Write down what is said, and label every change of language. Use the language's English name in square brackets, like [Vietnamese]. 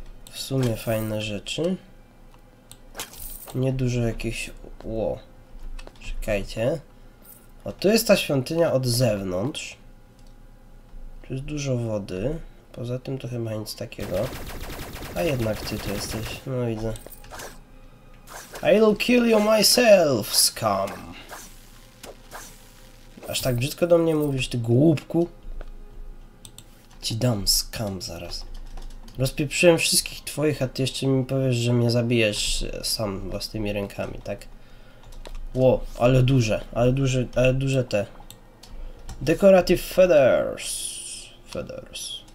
[Polish] W sumie fajne rzeczy. Niedużo jakichś. Ło. Czekajcie. O, tu jest ta świątynia od zewnątrz. Tu jest dużo wody. Poza tym to chyba nic takiego. A jednak ty tu jesteś. No widzę. [English] I'll kill you myself, scum. [Polish] Aż tak brzydko do mnie mówisz, ty głupku? Ci dam scum zaraz. Rozpieprzyłem wszystkich twoich, a ty jeszcze mi powiesz, że mnie zabijesz sam własnymi rękami, tak? Ło, ale duże te. Decorative feathers. Feathers.